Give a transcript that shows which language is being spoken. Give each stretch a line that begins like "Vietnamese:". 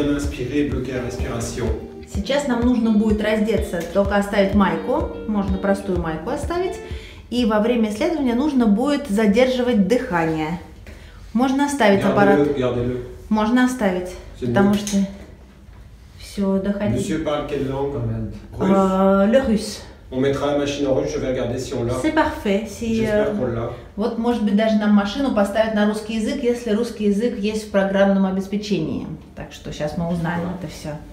Russian: Сейчас нам нужно будет раздеться, только оставить майку, можно простую майку оставить, и во время исследования нужно будет задерживать дыхание. Можно оставить аппарат? Можно оставить, потому что все, доходить.
French: Monsieur parle quelle langue, en fait? Le russe. On mettra la machine en russe, je vais regarder si on l'a. C'est parfait. Si, j'espère qu'on l'a.
Russian: Вот, может быть, даже нам машину поставят на русский язык, если русский язык есть в программном обеспечении. Так что сейчас мы узнаем это все.